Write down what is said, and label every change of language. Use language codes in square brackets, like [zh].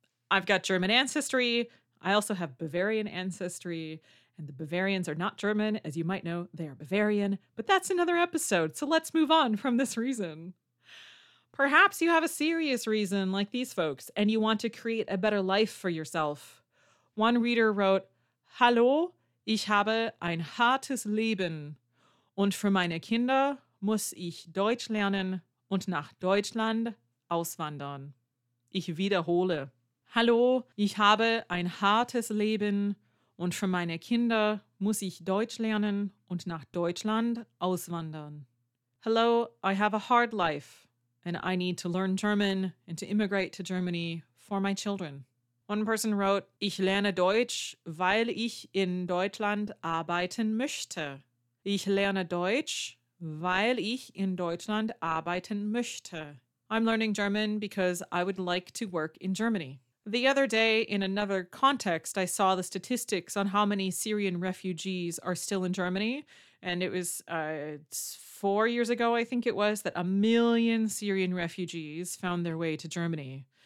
[en] I've got German ancestry. I also have Bavarian ancestry. And the Bavarians are not German, as you might know, they are Bavarian, but that's another episode, so let's move on from this reason. Perhaps you have a serious reason, like these folks, and you want to create a better life for yourself. One reader wrote, [de] Hallo, ich habe ein hartes Leben, und für meine Kinder muss ich Deutsch lernen und nach Deutschland auswandern. Ich wiederhole, Hallo, ich habe ein hartes Leben, und für meine Kinder muss ich Deutsch lernen und nach Deutschland auswandern. [en] Hello, I have a hard life, and I need to learn German and to immigrate to Germany for my children. One person wrote, [de] Ich lerne Deutsch, weil ich in Deutschland arbeiten möchte. Ich lerne Deutsch, weil ich in Deutschland arbeiten möchte. [en] I'm learning German because I would like to work in Germany. The other day, in another context, I saw the statistics on how many Syrian refugees are still in Germany, and it was 4 years ago, I think it was, that 1 million Syrian refugees found their way to Germany.